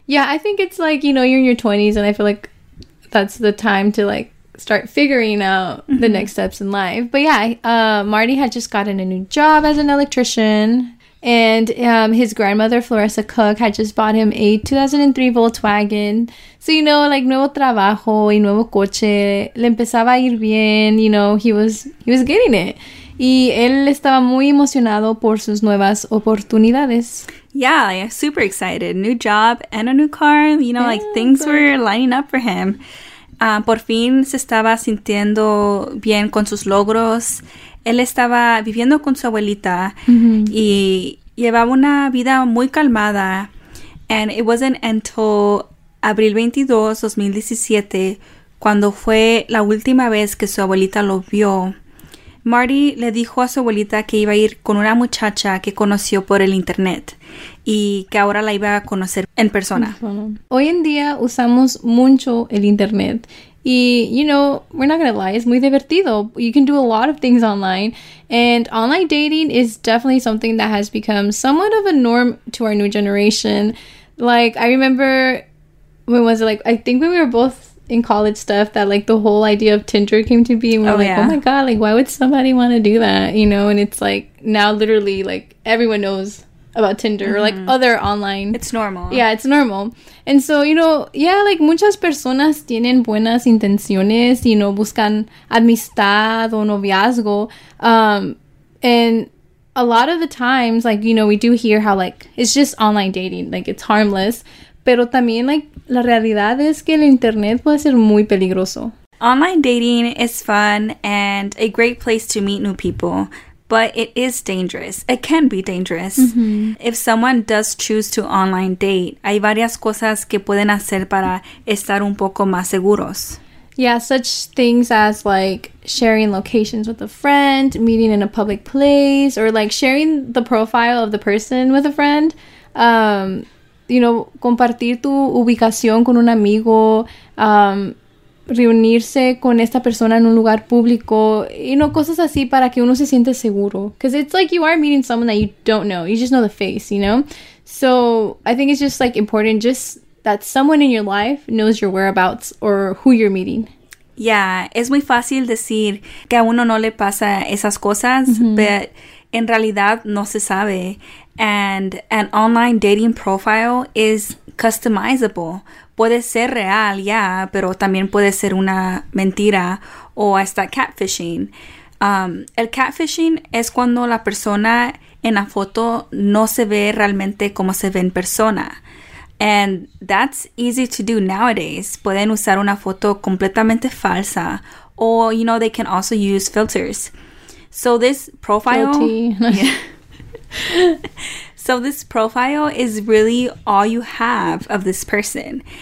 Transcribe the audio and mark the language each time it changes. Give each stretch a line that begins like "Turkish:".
English: Yeah, I think it's like, you know, you're in your 20s, and I feel like that's the time to, like, start figuring out the next steps in life. But yeah, Marty had just gotten a new job as an electrician. And his grandmother, Floresa Cook, had just bought him a 2003 Volkswagen. So, you know, like,
Spanish: nuevo trabajo y nuevo coche. Le empezaba a ir bien.
English: You know, he was getting it.
Spanish: Y él estaba muy emocionado por sus nuevas oportunidades.
English: Yeah, like, super excited. New job and a new car. You know, like, things were lining up for him.
Spanish: Por fin se estaba sintiendo bien con sus logros. Él estaba viviendo con su abuelita y llevaba una vida muy calmada.
English: And it wasn't until April 22, 2017,
Spanish: cuando fue la última vez que su abuelita lo vio. Marty le dijo a su abuelita que iba a ir con una muchacha que conoció por el internet y que ahora la iba a conocer en persona. Hoy en día usamos mucho el internet.
English: Y, you know, we're not gonna lie, it's
Spanish: muy divertido.
English: You can do a lot of things online. And online dating is definitely something that has become somewhat of a norm to our new generation. Like, I remember, when was it? Like, I think when we were both in college stuff that, like, the whole idea of Tinder came to be. And we're like, oh my god, like, why would somebody want to do that? You know, and it's like, now literally, like, everyone knows about Tinder or like other online. It's normal. Yeah, it's normal. And so, you know, yeah, like
Spanish: muchas personas tienen buenas intenciones, you know, buscan amistad o noviazgo.
English: And a lot of the times, like, you know, we do hear how like it's just online dating, like it's harmless.
Spanish: Pero también, like, la realidad es que el internet puede ser muy peligroso.
English: Online dating is fun and a great place to meet new people. But it is dangerous. It can be dangerous. If someone does choose to online date,
Spanish: hay varias cosas que pueden hacer para estar un poco más seguros.
English: Yeah, such things as like sharing locations with a friend, meeting in a public place, or like sharing the profile of the person with a friend. You know,
Spanish: compartir tu ubicación con un amigo, reunirse con esta persona en un lugar público, you know, cosas así para que uno se siente seguro.
English: Because it's like you are meeting someone that you don't know. You just know the face, you know? So I think it's just like important just that someone in your life knows your whereabouts or who you're meeting.
Spanish: Yeah, es muy fácil decir que a uno no le pasa esas cosas,
English: but
Spanish: en realidad no se sabe.
English: And an online dating profile is customizable.
Spanish: Puede ser real,
English: yeah,
Spanish: pero también puede ser una mentira o hasta catfishing. El catfishing es cuando la persona en la foto no se ve realmente como se ve en persona.
English: And that's easy to do nowadays.
Spanish: Pueden usar una foto completamente falsa o,
English: you know, they can also use filters. So this profile... So this profile is really all you have of this person.